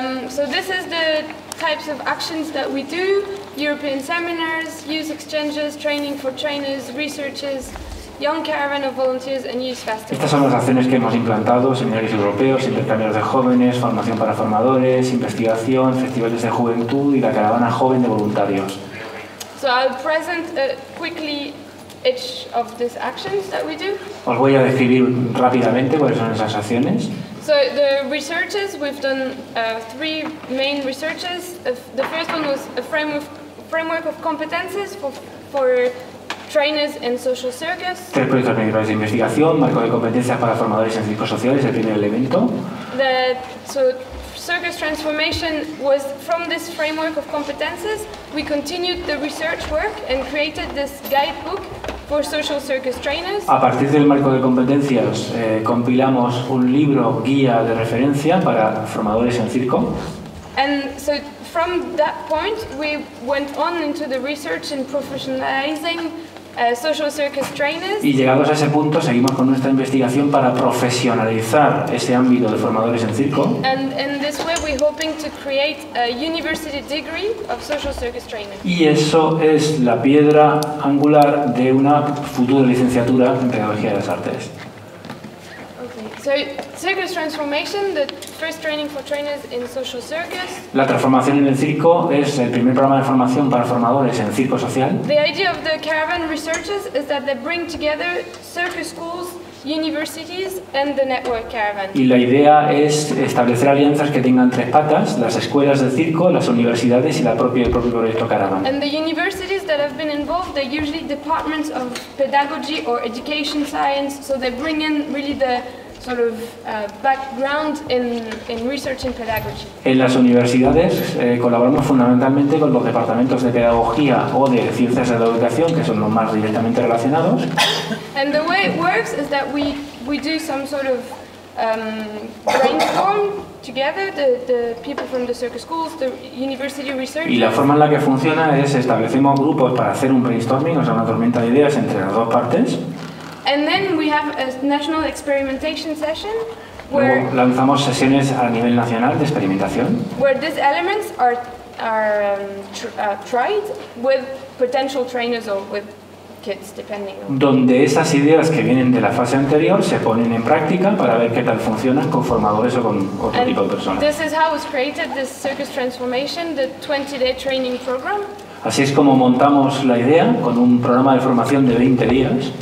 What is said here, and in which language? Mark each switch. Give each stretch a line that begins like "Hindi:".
English: So this is the types of actions that we do: European seminars, youth exchanges, training for trainers, researches, Young Caravan of Volunteers and Youth Festival.
Spanish: Estas son las acciones que hemos implantado: seminarios europeos, intercambios de jóvenes, formación para formadores, investigación, festivales de juventud y la caravana joven de voluntarios.
English: So I'll present quickly each of these actions that we do.
Spanish: Os voy a describir rápidamente cuáles son esas acciones.
English: So the researches, we've done three main researches. The first one was a framework of competences for trainers in social circus.
Spanish: Tres proyectos principales de investigación, marco de competencias para formadores en circos sociales, el primer elemento.
English: So circus transformation was from this framework of competences. We continued the research work and created this guidebook for social circus trainers.
Spanish: A partir del marco de competencias, compilamos un libro guía de referencia para formadores en circo.
English: And so from that point we went on into the research and professionalizing social circus trainers.
Spanish: Y llegados a ese punto, seguimos con nuestra investigación para profesionalizar ese ámbito de formadores en circo.
English: And in this way, we're hoping to create a university degree of social circus trainers.
Spanish: Y eso es la piedra angular de una futura licenciatura en pedagogía de las artes.
English: So, circus transformation, the first training for trainers in social circus.
Spanish: La transformación en el circo es el primer programa de formación para formadores en circo social.
English: The idea of the caravan researchers is that they bring together circus schools, universities, and the network caravan.
Spanish: Y la idea es establecer alianzas que tengan tres patas: las escuelas del circo, las universidades y el propio proyecto caravan.
English: And the universities that have been involved, they're usually departments of pedagogy or education science, so they bring in really the sort of background in research and pedagogy.
Spanish: En las universidades colaboramos fundamentalmente con los departamentos de pedagogía o de ciencias de la educación, que son los más directamente relacionados.
English: And the way it works is that we do some sort of brainstorm together, the people from the circus schools, the university research.
Spanish: Y la forma en la que funciona es establecemos grupos para hacer un brainstorming, o sea, una tormenta de ideas entre las dos partes.
English: And then we have a national experimentation session where
Spanish: lanzamos sesiones a nivel nacional de experimentación.
English: Where these elements are tried with potential trainers or with kids, depending on.
Spanish: Donde esas ideas que vienen de la fase anterior se ponen en práctica para ver qué tal funcionan con formadores o con otro
English: and
Spanish: tipo de personas.
English: This is how was created this circus transformation, the 20-day training program.
Spanish: Así es como montamos la idea con un programa de formación de 20 días.